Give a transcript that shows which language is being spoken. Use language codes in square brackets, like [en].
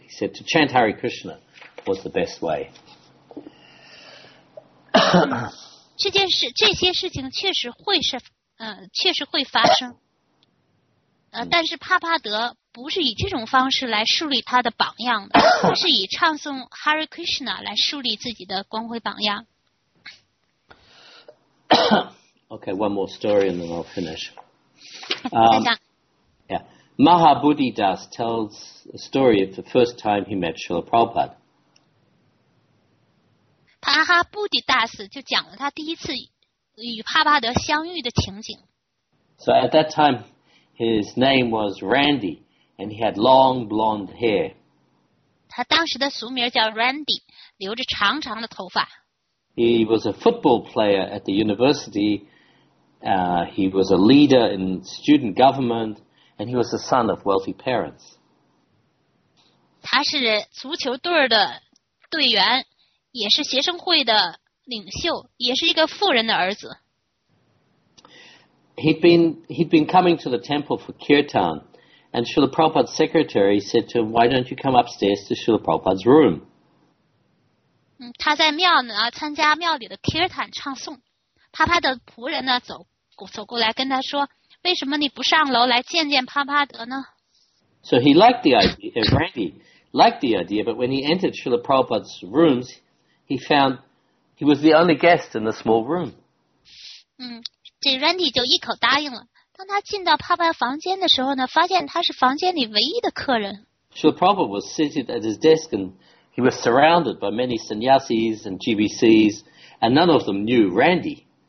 [en] He said to chant Hare Krishna was the best way. [zh] 这些事情确实会是，确实会发生。但是帕帕德不是以这种方式来树立他的榜样的，而是以唱诵 Hare Krishna 来树立自己的光辉榜样。 [en] Okay, one more story and then I'll finish. Yeah, Mahabodhi Das tells a story of the first time he met Srila Prabhupada. [zh] 帕哈布迪大师就讲了他第一次与帕帕德相遇的情景。 [en] So at that time, his name was Randy, and he had long blonde hair. [zh] 他当时的俗名叫 Randy, 留着长长的头发。 [en] He was a football player at the university. He was a leader in student government, and he was the son of wealthy parents. [zh] 他是足球队的队员。也是学生会的领袖，也是一个富人的儿子。 [en] He'd been coming to the temple for kirtan, and Srila Prabhupada's secretary said to him, "Why don't you come upstairs to Srila Prabhupada's room?" [zh] 他在庙呢，参加庙里的 kirtan 唱诵。帕帕的仆人呢，走过来跟他说，为什么你不上楼来见见帕帕德呢？ [en] So he liked the idea. Randy liked the idea, but when he entered Srila Prabhupada's rooms. He found he was the only guest in the small room. [zh] 这 Randy 就一口答应了。当他进到帕帕房间的时候呢，发现他是房间里唯一的客人。 [en] Srila Prabhupada was seated at his desk, and he was surrounded by many sannyasis and GBCs, and none of them knew Randy.